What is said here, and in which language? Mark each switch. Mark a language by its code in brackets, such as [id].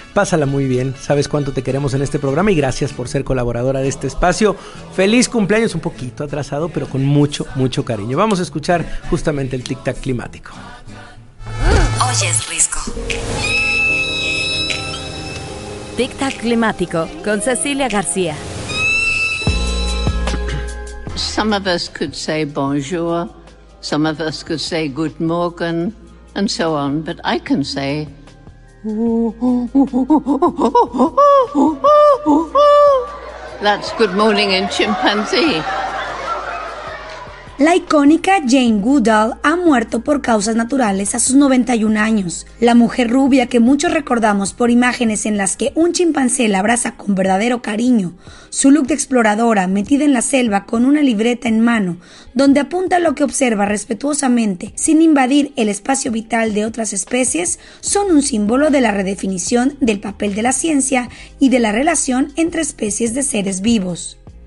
[es] Pásala muy bien, sabes cuánto te queremos en este programa y gracias por ser colaboradora de este espacio. Feliz cumpleaños, un poquito atrasado, pero con mucho, mucho cariño. Vamos a escuchar justamente el tic-tac climático. Oyes Risco. Tic-tac climático con Cecilia García. [en] Some of us could say bonjour, some of us could say good morgen, and so on, but I can say. That's good morning in chimpanzee. [es] La icónica Jane Goodall ha muerto por causas naturales a sus 91 años. La mujer rubia que muchos recordamos por imágenes en las que un chimpancé la abraza con verdadero cariño, su look de exploradora metida en la selva con una libreta en mano, donde apunta lo que observa respetuosamente sin invadir el espacio vital de otras especies, son un símbolo de la redefinición del papel de la ciencia y de la relación entre especies de seres vivos.